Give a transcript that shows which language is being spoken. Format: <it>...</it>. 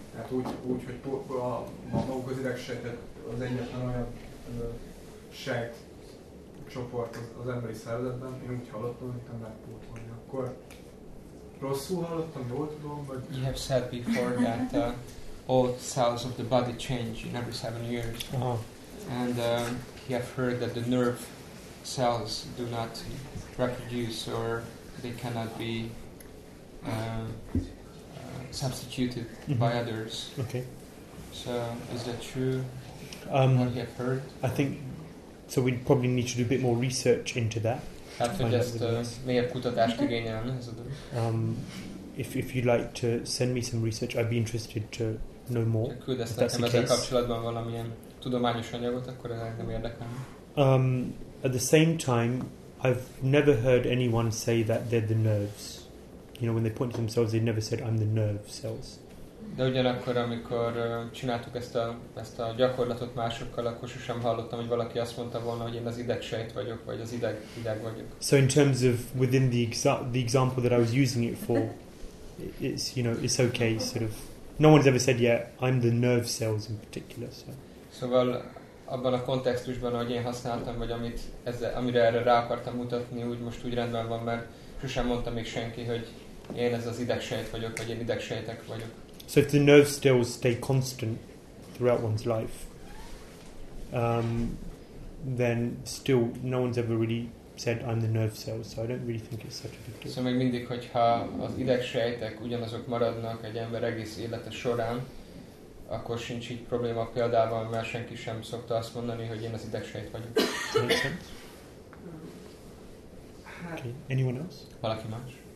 <hu>Tehát úgy, hogy maguk az idegsejtek az egyetlen olyan sejt csoport az emberi szervezetben, én úgy hallottam, hogy nem lehet pótolni. Akkor rosszul hallottam, jól tudom, vagy...</hu> <en>You have said before that all cells of the body change in every 7 years. Uh-huh. And you have heard that the nerve cells do not reproduce or they cannot be substituted mm-hmm. by others. Okay. So is that true? What you have heard? I think So we'd probably need to do a bit more research into that. If you'd like to send me some research, I'd be interested to know more. At the same time, I've never heard anyone say that they're the nerves. You know, when they point to themselves, they never said, I'm the nerve cells.</en> <hu>De ugyanakkor, amikor csináltuk ezt a gyakorlatot másokkal, akkor sosem hallottam, hogy valaki azt mondta volna, hogy én az idegsejt vagyok, vagy az ideg vagyok.</hu> <en>So in terms of within the example that I was using it for, it's, you know, it's okay, sort of. No one's ever said, yeah, I'm the nerve cells in particular. So.</en> <hu>Szóval abban a kontextusban, ahogy én használtam, vagy amit ezzel, amire erre rá akartam mutatni, úgy most úgy rendben van, mert sosem mondta még senki, hogy én ez az idegsejt vagyok, vagy én idegsejtek vagyok.</hu> <en>So if the nerve cells stay constant throughout one's life, then still no one's ever really said, I'm the nerve cells, so I don't really think it's such a big deal.</en> <hu>So még mindig, hogyha az idegsejtek ugyanazok maradnak egy ember egész élete során, akkor sincs így probléma példával, mert senki sem szokta azt mondani, hogy én az idegsejt vagyok.</hu> <en>Does that make sense? Okay. Anyone else?</en> <hu>Valaki más?</hu>